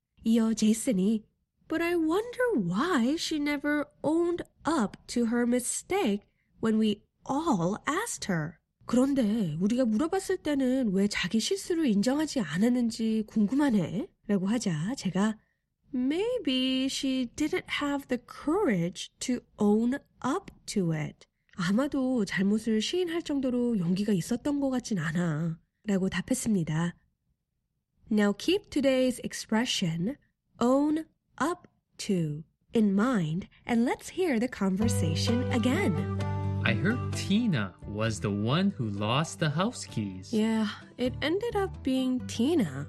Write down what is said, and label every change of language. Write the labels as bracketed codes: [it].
[ko] 이어 제이슨이 [en] But I wonder why she never owned up to her mistake when we all asked her. [ko] 그런데 우리가 물어봤을 때는 왜 자기 실수를 인정하지 않았는지 궁금하네. 라고 하자 제가 [en] Maybe she didn't have the courage to own up to it. [ko] 아마도 잘못을 시인할 정도로 용기가 있었던 것 같진 않아. 라고 답했습니다. [en] Now keep today's expression, own up to, in mind, and let's hear the conversation again. I heard Tina was the one who lost the house keys. Yeah, it ended up being Tina.